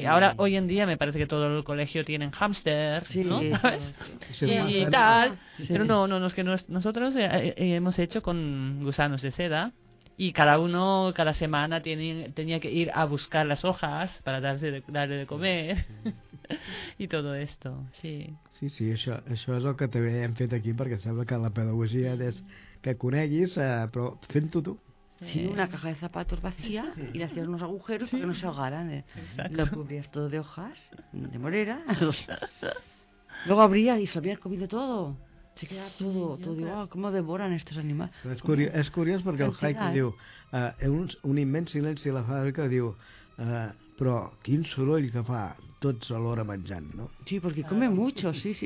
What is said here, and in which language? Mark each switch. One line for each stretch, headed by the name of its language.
Spanish: Ahora, hoy en día, me parece que todo el colegio tienen hámster, sí, ¿no? Sí, y tal. Sí. Pero no, es que nosotros hemos hecho con gusanos de seda. Y cada uno, cada semana, tenía que ir a buscar las hojas para darle de comer. Y todo esto, sí.
Catalan: Sí, sí, això és el que també hem fet aquí, perquè sembla que la pedagogia és que coneguis, però fent-ho tu.
Spanish: Sí, una caja de zapatos vacía y le hacías unos agujeros para que no se ahogaran. Exacto. Lo cubrías todo de hojas, de morera. Luego abría y se había comido todo. Se queda todo. Oh, ¿cómo devoran estos animales?
Catalan: És curiós perquè el haiku diu, un immens silenci a la fàbrica, diu, però quin soroll que fa... tots alhora menjant, no?
Spanish: Sí, perquè claro, come mucho, sí.